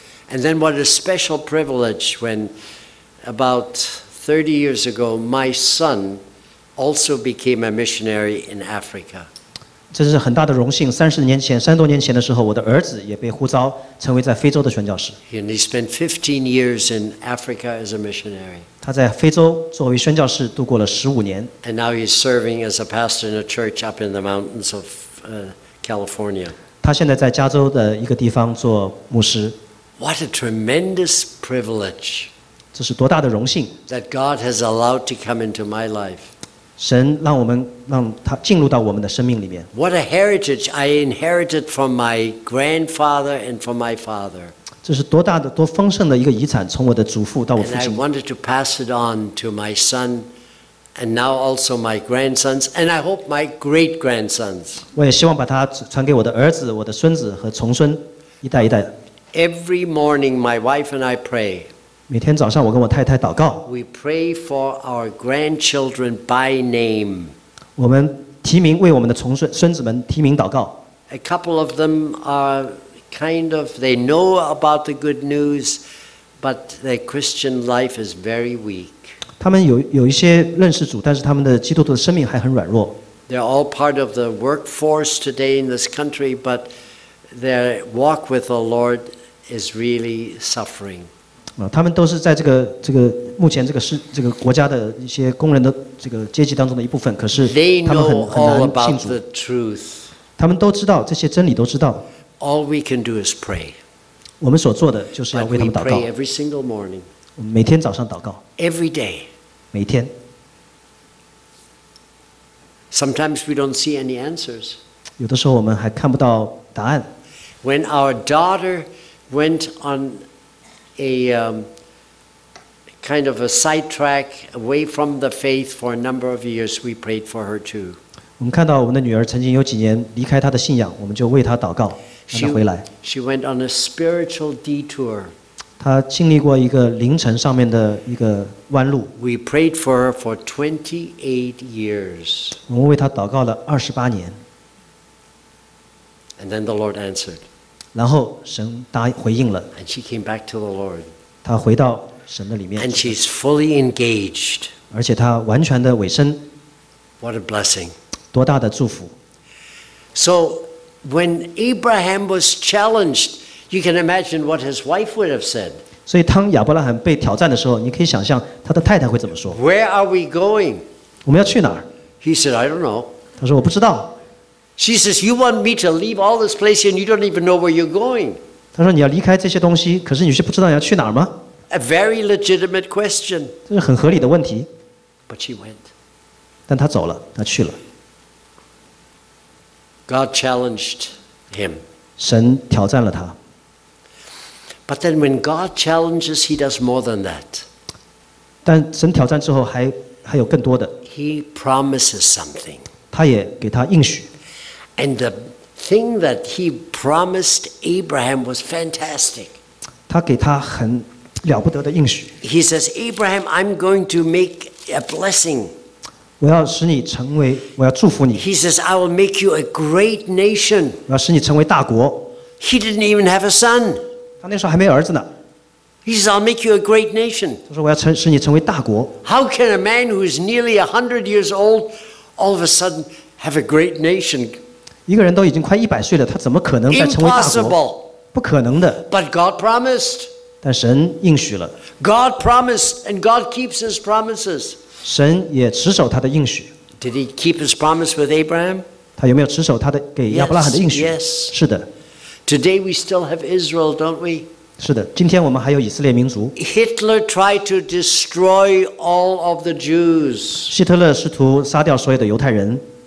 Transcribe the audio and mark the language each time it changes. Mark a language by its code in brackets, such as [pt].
[en] And then what a special privilege when about 30 years ago, my son also became a missionary in Africa. [zh] 这是很大的荣幸。三十多年前的时候，我的儿子也被呼召成为在非洲的宣教士。 [en] And he spent 15 years in Africa as a missionary. [zh] 他在非洲作为宣教士度过了十五年。 [en] And now he's serving as a pastor in a church up in the mountains of. California. [zh] 他现在在加州的一个地方做牧师。 [en] What a tremendous privilege! [zh] 这是多大的荣幸 [en] ！That God has allowed to come into my life. [zh] 神让我们让他进入到我们的生命里面。 [en] What a heritage I inherited from my grandfather and from my father. [zh] 这是多大的多丰盛的一个遗产，从我的祖父到我父亲。 [en] And I wanted to pass it on to my son. And now also my grandsons, and I hope my great grandsons. [zh] 我也希望把它传给我的儿子、我的孙子和重孙，一代一代。 [en] Every morning, my wife and I pray. [zh] 每天早上，我跟我太太祷告。 [en] We pray for our grandchildren by name. [zh] 我们提名为我们的重孙孙子们提名祷告。 [en] A couple of them are kind of they know about the good news, but their Christian life is very weak. [zh] 他们 有一些认识主，但是他们的基督徒的生命还很软弱。 [en] They're all part of the workforce today in this country, but their walk with the Lord is really suffering. [zh] 他们都是在这个目前这个国家的一些工人的这个阶级当中的一部分，可是他们很难信主。他们都知道这些真理，都知道。 [en] All we can do is pray. [zh] 我们所做的就是要为他们祷告。 [en] But we pray every single morning. [zh] 每天早上祷告。 [en] Every day. [zh] 每天。 [en] Sometimes we don't see any answers. [zh] 有的时候我们还看不到答案。 [en] When our daughter went on a kind of a sidetrack away from the faith for a number of years, we prayed for her too. [zh] 我们看到我们的女儿曾经有几年离开她的信仰，我们就为她祷告，让她回来。 [en] She went on a spiritual detour. [zh] 他经历过一个灵程上面的一个弯路。 [en] We prayed for her for 28 years. [zh] 我们为他祷告了二十八年。 [en] And then the Lord answered. [zh] 然后神答回应了。 [en] And she came back to the Lord. [zh] 他回到神的里面。 [en] And she's fully engaged. [zh] 而且他完全的委身。 [en] What a blessing! [zh] 多大的祝福 [en] ！So when Abraham was challenged. You can imagine what his wife would have said. [zh] 所以当亚伯拉罕被挑战的时候，你可以想象他的太太会怎么说。 [en] Where are we going? [zh] 我们要去哪儿？ [en] He said, I don't know. [zh] 他说我不知道。 [en] She says, you want me to leave all this place and you don't even know where you're going. [zh] 他说你要离开这些东西，可是你却不知道你要去哪儿吗？ [en] A very legitimate question. [zh] 这是很合理的问题。 [en] But she went. [zh] 但他走了，他去了。 [en] God challenged him. [zh] 神挑战了他。 [en] But then, when God challenges, He does more than that. [zh] 但神挑战之后还有更多的。 [en] He promises something. [zh] 他也给他应许。 [en] And the thing that he promised Abraham was fantastic. [zh] 他给他很了不得的应许。 [en] He says, Abraham, I'm going to make a blessing. [zh] 我要使你成为，我要祝福你。 [en] He says, I will make you a great nation. [zh] 我要使你成为大国。 [en] He didn't even have a son. [zh] 他那时候还没儿子呢。 [en] He says, I'll make you a great nation. [zh] 他说我要使你成为大国。 [en] How can a man who is nearly 100 years old all of a sudden have a great nation? [zh] 一个人都已经快100岁了，他怎么可能再成为大国？ [en] Impossible. [zh] 不可能的。 [en] But God promised. [zh] 但神应许了。 [en] God promised and God keeps his promises. [zh] 神也持守他的应许。 [en] Did he keep his promise with Abraham? [zh] 他有没有持守他的给亚伯拉罕的应许？ [en] Yes. [zh] 是的。 [en] Today we still have Israel, don't we? [zh] 是的，今天我们还有以色列民族。 [en] Hitler tried to destroy all of the Jews. [zh] 希特勒试图杀掉所有的犹太人。